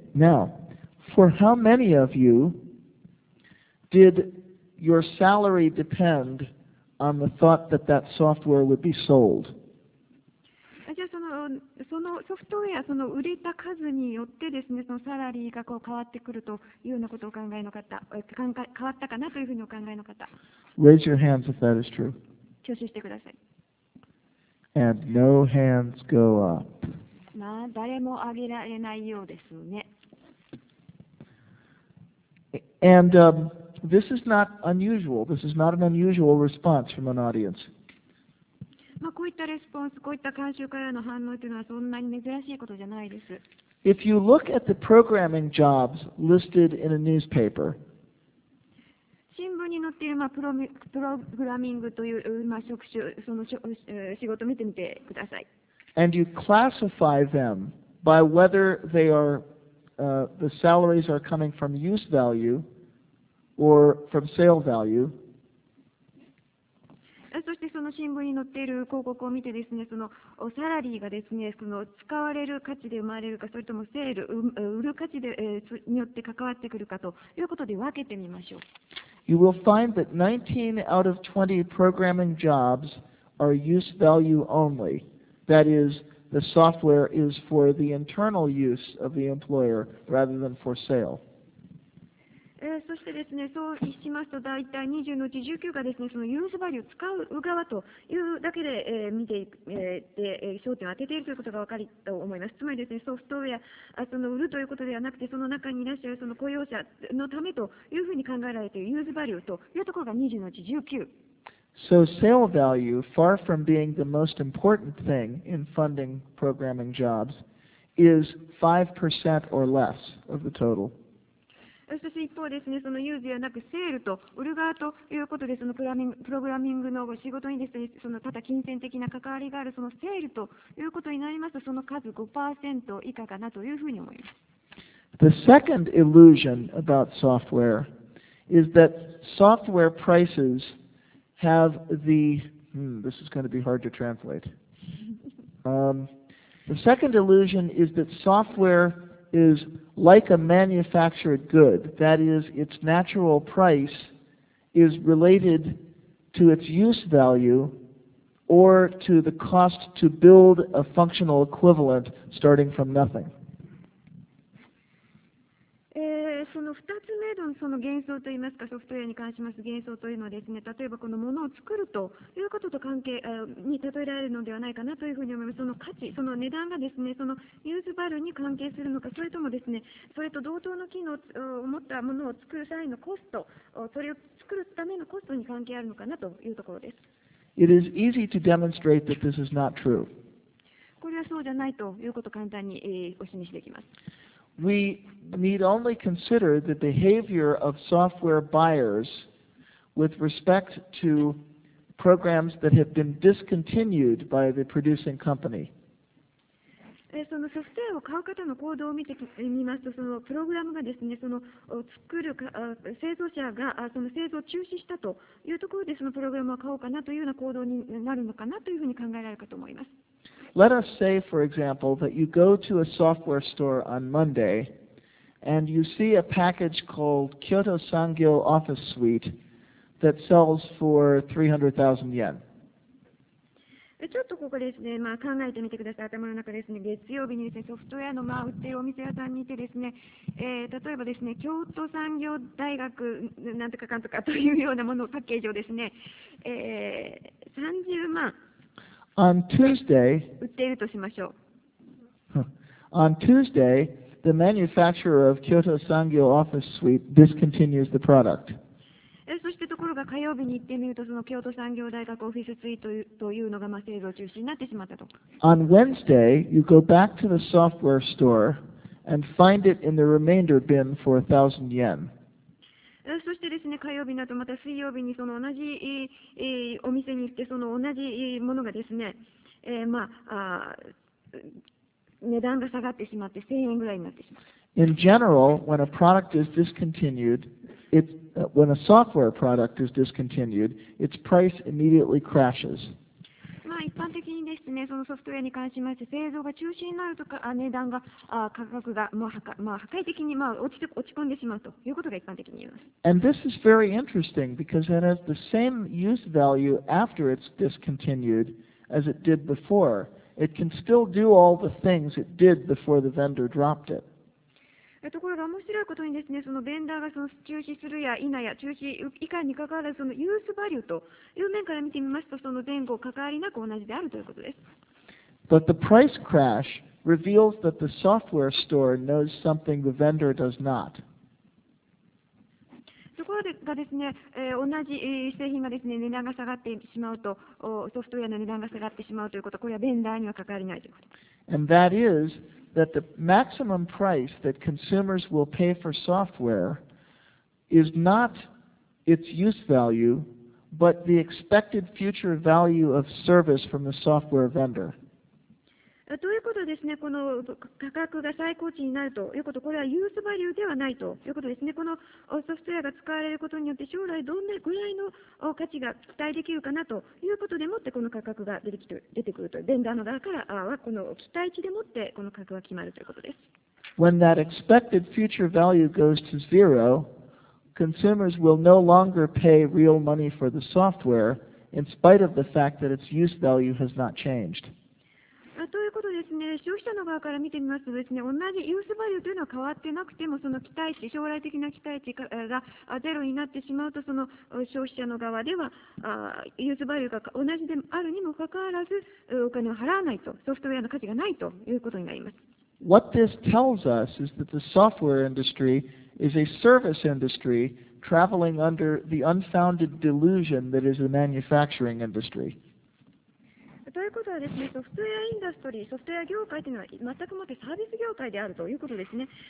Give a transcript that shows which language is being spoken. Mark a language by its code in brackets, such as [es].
[en] Now, for how many of you did your salary depend on the thought that that software would be sold? [ja] じゃあそのソフトウェア、その売れた数によってですね、そのサラリーがこう変わってくるというようなことをお考えの方、変わったかなというふうにお考えの方。 [en] Raise your hands if that is true. [ja] 挙手してください。 [en] And no hands go up. [ja] まあ、誰も上げられないようですね。 [en] And, this is not unusual. This is not an unusual response from an audience. [ja] まあ、こういったレスポンス、こういった観衆からの反応というのはそんなに珍しいことじゃないです。 [en] If you look at the programming jobs listed in a newspaper, [ja] 新聞に載っている、まあ、プログラミングという、まあ、職種、その仕事を見てみてください。 [en] And you classify them by whether they are, the salaries are coming from use value or from sale value. [ja] そしてその新聞に載っている広告を見てですね、そのサラリーがですね、その使われる価値で生まれるか、それともセール、売る価値で、によって関わってくるかということで分けてみましょう。 [en] You will find that 19 out of 20 programming jobs are use value only. That is, the software is for the internal use of the employer rather than for sale. [ja] そしてですね、そうしますと大体20のうち19がですね、そのユースバリューを使う側というだけで、見て、焦点を当てているということが分かると思います。つまりですね、ソフトウェア、その売るということではなくて、その中にいらっしゃるその雇用者のためというふうに考えられているユースバリューというところが20のうち 19。 [en] So sale value, far from being the most important thing in funding programming jobs, is 5% or less of the total. [ja] そして一方ですね、そのユーズではなくセールと売る側ということで、そのプログラミングの仕事にですね、そのただ金銭的な関わりがあるそのセールということになりますと、その数 5% 以下かなというふうに思います。 [en] The second illusion about software is that software prices have the, this is going to be hard to translate. The second illusion is that softwareis like a manufactured good, that is, its natural price is related to its use value or to the cost to build a functional equivalent starting from nothing. [ja] その2つ目 の, その幻想といいますか、ソフトウェアに関します幻想というのはですね、例えばこのものを作るということと関係に例えられるのではないかなというふうに思います。その価値、その値段がですね、そのユーズバルに関係するのか、それともですね、それと同等の機能を持ったものを作る際のコスト、それを作るためのコストに関係あるのかなというところです。 [en] It is easy to demonstrate that this is not true. [ja] これはそうじゃないということを簡単にお示しできます。 [en] We need only consider the behavior of software buyers with respect to programs that have been discontinued by the producing company. [ja] そのソフトウェアを買う方の行動を見てみますと、そのプログラムがですね、その作る製造者がその製造を中止したというところで、そのプログラムを買おうかなというような行動になるのかなというふうに考えられるかと思います。 [en] Let us say, for example, that you go to a software store on Monday and you see a package called Kyoto Sangyo Office Suite that sells for 300,000 yen. [ja] ちょっとここですね、まあ、考えてみてください。頭の中ですね、月曜日にですね、ソフトウェアの、まあ、売ってるお店屋さんにいてですね、例えばですね、京都産業大学なんとかかんとかというようなものをパッケージをですね、30万。 [en] On Tuesday, [ja] 売っているとしましょう。 [en] On Tuesday, the manufacturer of Kyoto Sangyo Office Suite discontinues the product. [ja] そしてところが火曜日に行ってみると、その京都産業大学オフィスツイートというのが、まあ、製造中止になってしまったと。 [en] On Wednesday, you go back to the software store and find it in the remainder bin for 1,000 yen. [ja] そしてですね、火曜日などまた水曜日にその同じお店に行って、その同じものがですね、まあ、値段が下がってしまって1000円ぐらいになってしまう。 [en] In general, when a product is discontinued, when a software product is discontinued, its price immediately crashes. [ja] まあ、一般的にですね、そのソフトウェアに関しまして、製造が中止になるとか、値段が、価格が、まあ、破壊的に、まあ、落ち込んでしまうということが一般的に言います。 [en] And this is very interesting because it has the same use value after it's discontinued as it did before. It can still do all the things it did before the vendor dropped it. [ja] ところが面白いことにですね、そのベンダーがその中止するや否や中止以下にかかわらず、そのユースバリューという面から見てみますと、その前後関わりなく同じであるということです。 [en] But the price crash reveals that the software store knows something the vendor does not. [ja] ところがですね、同じ製品がですね、値段が下がってしまうと、ソフトウェアの値段が下がってしまうということ、これはベンダーには関わりないということです。 [en] And that is... that the maximum price that consumers will pay for software is not its use value, but the expected future value of service from the software vendor. [ja] ということですね、この価格が最高値になるということ、これはユースバリューではないということですね。このソフトウェアが使われることによって、将来どんなぐらいの価値が期待できるかなということでもって、この価格が出てくると、ベンダーの側からはこの期待値でもって、この価格が決まるということです。 [en] When that expected future value goes to zero, consumers will no longer pay real money for the software, in spite of the fact that its use value has not changed. [ja] ということですね、消費者の側から見てみますとですね、同じユースバリューというのは変わってなくても、その期待値、将来的な期待値がゼロになってしまうと、その消費者の側ではユースバリューが同じであるにもかかわらず、お金を払わないと、ソフトウェアの価値がないということになります。 [en] What this tells us is that the software industry is a service industry traveling under the unfounded delusion that is the manufacturing industry. [ja] ということはですね、ソフトウェアインダストリー、ソフトウェア業界というのは全くもってサービス業界であるということですね。